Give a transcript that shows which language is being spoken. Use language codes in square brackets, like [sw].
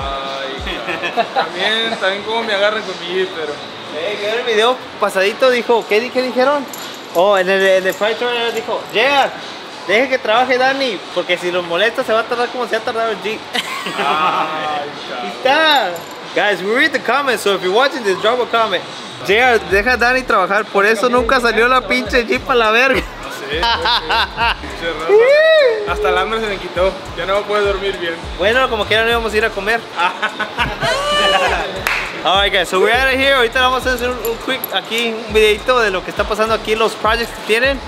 [es] Ay, claro. También como me agarran con mi Jeep, pero... Que en el video pasadito dijo, ¿qué dijeron? Oh, en el Fire Trainer dijo, llega, deje que trabaje Dani, porque si lo molesta se va a tardar como se ha tardado el Jeep. Ay, claro. [en] Guys, we read the comments, so if you're watching this, drop a comment. [es] Llega, deja a Dani trabajar, por eso nunca salió la pinche Jeep a la verga. No sé, pinche raro. Hasta el hambre se me quitó, ya no puedo dormir bien. Bueno, como quiera no íbamos a ir a comer. [en] Alright guys, so we're out of here. [es] Ahorita vamos a hacer un quick aquí, un videito de lo que está pasando aquí, los projects que tienen.